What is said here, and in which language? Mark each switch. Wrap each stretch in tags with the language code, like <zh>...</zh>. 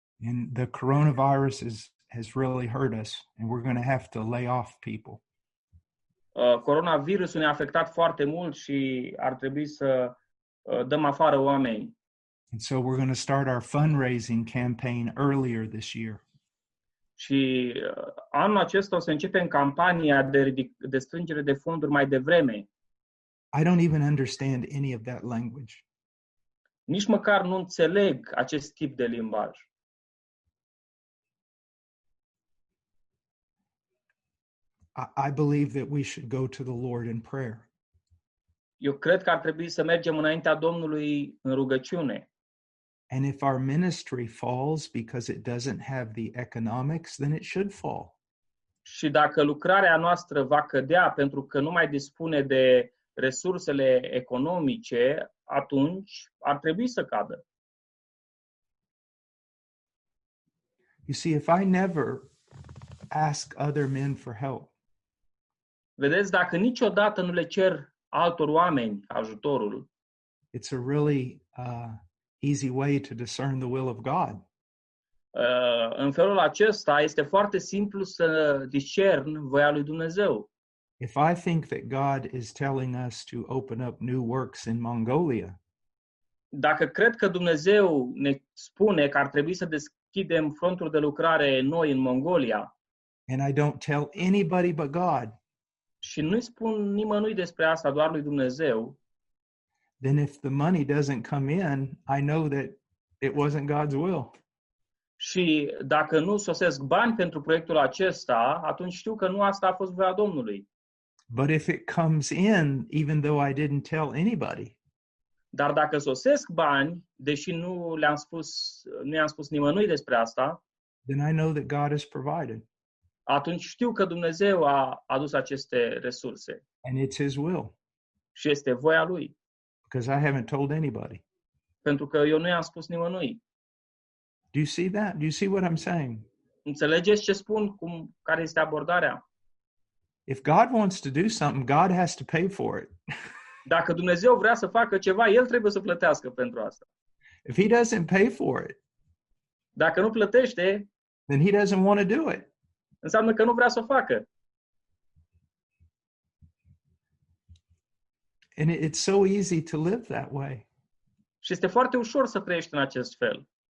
<en>And the coronavirus has really hurt us and we're going to have to lay off people.</en> <ro>Coronavirusul ne-a afectat foarte mult și ar trebui să dăm afară oameni.</ro> <en>And so we're going to start our fundraising campaign earlier this year.</en> <ro>Și anul acesta o să începem campania de strângere de fonduri mai devreme.</ro> <en>I don't even understand any of that language.</en> <ro>Nici măcar nu înțeleg acest tip de limbaj.</ro> <en>I believe that we should go to the Lord in prayer.</en> <ro>Eu cred că ar trebui să mergem înaintea Domnului în rugăciune.</ro> <en>And if our ministry falls because it doesn't have the economics, then it should fall.</en> <ro>Și dacă lucrarea noastră va cădea pentru că nu mai dispune de resursele economice, atunci ar trebui să cadă.</ro> <en>You see, if I never ask other men for help.</en> <ro>Vedeți, dacă niciodată nu le cer altor oameni ajutorul.</ro> <en>It's a really easy way to discern the will of God.</en> <ro>În felul acesta este foarte simplu să discern voia lui Dumnezeu.</ro> <en>If I think that God is telling us to open up new works in Mongolia.</en> <ro>Dacă cred că Dumnezeu ne spune că ar trebui să deschidem fronturi de lucrare noi în Mongolia.</ro> <en>And I don't tell anybody but God.</en> <ro>Și nu-i spun nimănui despre asta, doar lui Dumnezeu.</ro> <en>Then if the money doesn't come in, I know that it wasn't God's will.</en> <ro>Și dacă nu sosesc bani pentru proiectul acesta, atunci știu că nu asta a fost voia Domnului.</ro> <en>But if it comes in, even though I didn't tell anybody.</en> <ro>Dar dacă sosesc bani, deși nu i-am spus nimănui despre asta,</ro> <en>then I know that God has provided.</en> <ro>Atunci știu că Dumnezeu a adus aceste resurse.</ro> <en>And it's his will.</en> <ro>Și este voia lui.</ro> <en>Because I haven't told anybody.</en> <ro>Pentru că eu nu i-am spus nimănui.</ro> <en>Do you see that? Do you see what I'm saying?</en> <ro>Înțelegeți ce spun, care este abordarea?</ro> <en>If God wants to do something, God has to pay for it.</en> <ro>Dacă Dumnezeu vrea să facă ceva, el trebuie să plătească pentru asta.</ro> <en>If he doesn't pay for it.</en> <ro>Dacă nu plătește,</ro> <en>then he doesn't want to do it.</en> <ro>Înseamnă că nu vrea să o facă.</ro> <en>And it's so easy to live that way.</en> <ro>Și este foarte ușor să trăiești în acest fel.</ro>